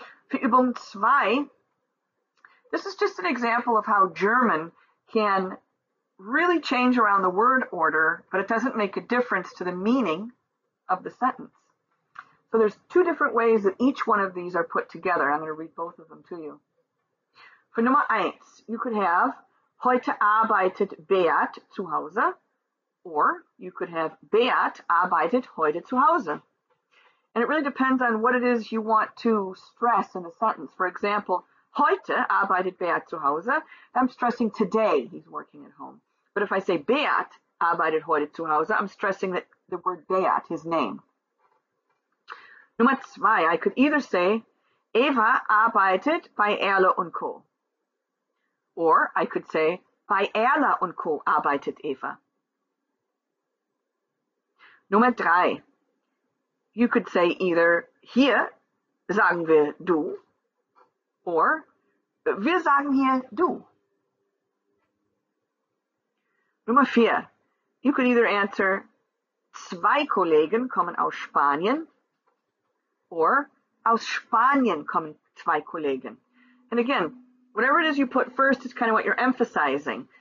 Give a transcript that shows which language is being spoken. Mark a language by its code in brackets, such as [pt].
[de] Für Übung 2, [en] this is just an example of how German can really change around the word order, but it doesn't make a difference to the meaning of the sentence. So there's two different ways that each one of these are put together. I'm going to read both of them to you. For Nummer 1, you could have, [de] heute arbeitet Beat zu Hause, [en] or you could have, [de] Beat arbeitet heute zu Hause. [en] And it really depends on what it is you want to stress in a sentence. For example, [de] heute arbeitet Beat zu Hause. [en] I'm stressing today he's working at home. But if I say [de] Beat arbeitet heute zu Hause, [en] I'm stressing that the word Beat, his name. Nummer 2, I could either say [de] Eva arbeitet bei Erle und Co. [en] Or I could say [de] bei Erle und Co. arbeitet Eva. Nummer 3, [en] you could say either [de] hier sagen wir du, or wir sagen hier du. Nummer 4, [en] you could either answer, [de] zwei Kollegen kommen aus Spanien, or aus Spanien kommen zwei Kollegen. [en] And again, whatever it is you put first is kind of what you're emphasizing.